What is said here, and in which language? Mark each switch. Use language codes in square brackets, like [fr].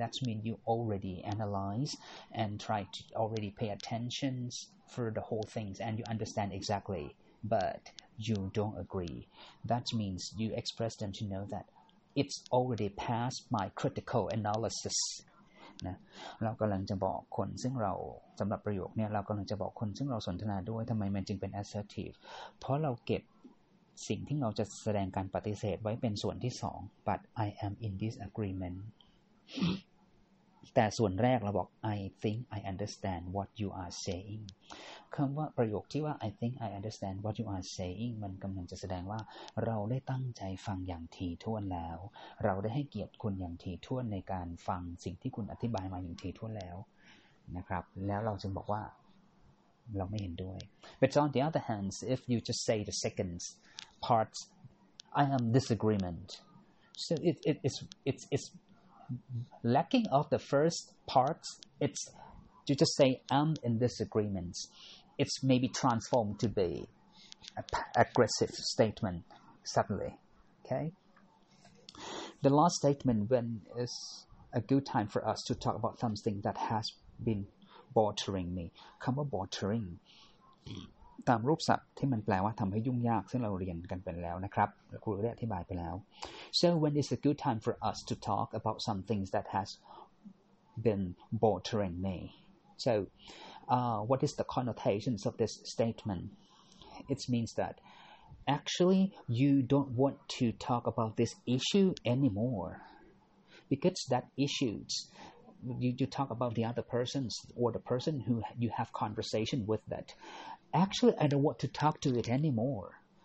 [en] That means you already analyze and try to already pay attention for the whole things, and you understand exactly, but you don't agree. That means you express them to know that it's already past my critical analysis. [th] นะเรากำลังจะบอกคนซึ่งเราสำหรับประโยคนี้เรากำลังจะบอกคนซึ่งเราสนทนาด้วยทำไมมันจึงเป็น assertive เพราะเราเก็บสิ่งที่เราจะแสดงการปฏิเสธไว้เป็นส่วนที่สอง [en] but I am in disagreement [th] แต่ส่วนแรกเราบอก [en] I think I understand what you are saying [th] คำว่าประโยคที่ว่า I think I understand what you are saying มันกำลังจะแสดงว่าเราได้ตั้งใจฟังอย่างถี่ถ้วนแล้วเราได้ให้เกียรติคุณอย่างถี่ถ้วนในการฟังสิ่งที่คุณอธิบายมาอย่างถี่ถ้วนแล้ว นะครับแล้วเราจึงบอกว่าเราไม่เห็นด้วย [en] But on the other hand, if you just say the second part I am disagreement So it's lacking of the first part, it's you just say I'm in disagreement. It's maybe transformed to be aggressive statement suddenly. Okay. The last statement when is a good time for us to talk about something that has been bothering me. [th] คำว่า bothering ตามรูปศัพท์ที่มันแปลว่าทำให้ยุ่งยากซึ่งเราเรียนกันไปแล้วนะครับครูได้อธิบายไปแล้ว [en] So when is a good time for us to talk about some things that has been bothering me? So what is the connotations of this statement? It means that actually you don't want to talk about this issue anymore because that issues you talk about the other persons or the person who you have conversation with that Actually, I don't want to talk to it anymore.